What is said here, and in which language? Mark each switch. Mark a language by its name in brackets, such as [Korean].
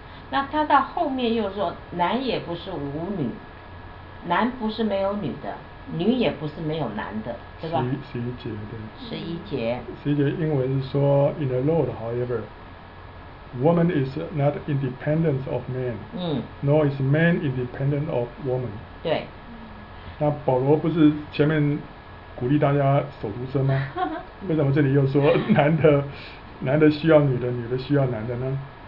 [Chinese] 那他到后面又说，男也不是无女，男不是没有女的，女也不是没有男的，对吧？十一节，对。十一节英文是说 [English] ，In the Lord, however, woman is not independent of man,nor is man independent of woman. [Chinese] 对。那保罗不是前面鼓励大家手足生吗？为什么这里又说男的需要女的，女的需要男的呢？